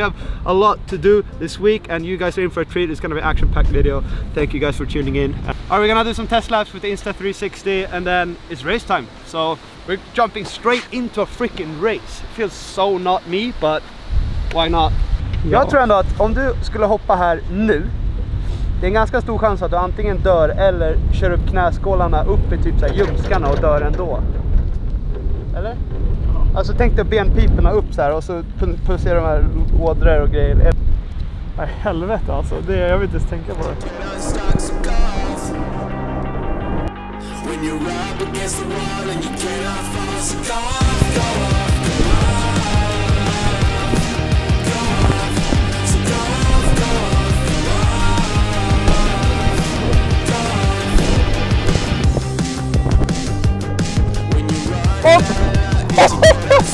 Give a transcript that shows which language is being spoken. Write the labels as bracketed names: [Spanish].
[English] We have a lot to do this week, and you guys are in for a treat. It's gonna be an action-packed video. Thank you guys for tuning in. Alright, we're gonna do some test laps with the Insta360, and then it's race time. So we're jumping straight into a freaking race. It feels so not me, but why not? [Swedish] Jag tror ändå att om du skulle hoppa här nu, det är en ganska stor chans att du antingen dör eller kör upp knäskålarna upp i typ så här ljumskarna och dör ändå. Eller? Alltså tänk dig benpiperna upp så här och så pulserar de här ådrar och grejer. Nej, helvete alltså. Det är, jag vill inte tänka på det. [English] When you rub against the wall and you cannot fall, so go off, go off, go off, go off, so go off, go off, go off, go off.